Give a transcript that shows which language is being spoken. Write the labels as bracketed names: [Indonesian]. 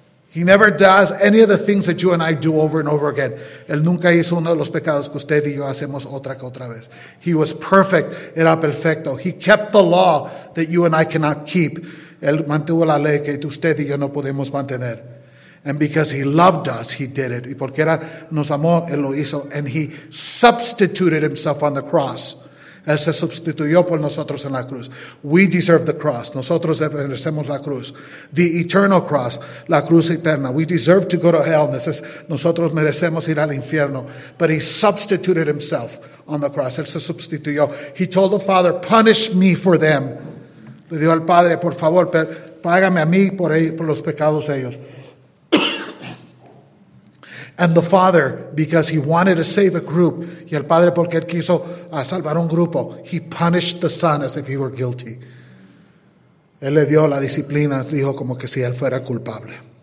[English] He never does any of the things that you and I do over and over again. [Spanish] Él nunca hizo uno de los pecados que usted y yo hacemos otra que otra vez. [English] He was perfect. [Spanish] Era perfecto. [English] He kept the law that you and I cannot keep. [Spanish] Él mantuvo la ley que usted y yo no podemos mantener. [English] And because he loved us, he did it. [Spanish] Y porque era, nos amó, él lo hizo. [English] And he substituted himself on the cross. [Spanish] Él se sustituyó por nosotros en la cruz. [English] We deserve the cross. [Spanish] Nosotros merecemos la cruz. [English] The eternal cross, [Spanish] la cruz eterna. [English] We deserve to go to hell. [Spanish] Nosotros merecemos ir al infierno. [English] But he substituted himself on the cross. [Spanish] Él se sustituyó. [English] He told the Father, punish me for them. [Spanish] Le dijo al Padre, por favor, págame a mí por los pecados de ellos. [English] And the Father, because he wanted to save a group, [Spanish] y el Padre porque él quiso salvar un grupo, [English] he punished the Son as if he were guilty. [Spanish] Él le dio la disciplina al Hijo como que si él fuera culpable.